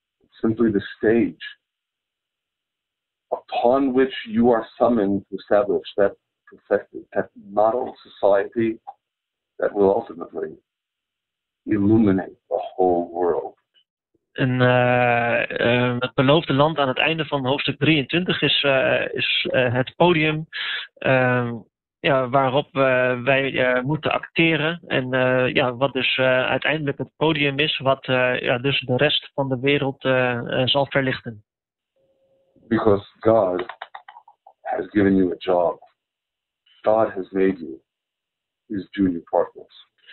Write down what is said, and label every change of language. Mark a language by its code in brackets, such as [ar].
[en] Simply the stage upon which you are summoned to establish that perfected, that model society that will ultimately illuminate the whole world. [nl] En het beloofde land aan het einde van hoofdstuk 23 is het podium waarop wij moeten acteren. En wat dus uiteindelijk het podium is, wat dus de rest van de wereld zal verlichten. [en] Because God has given you a job. God has made you his junior partners.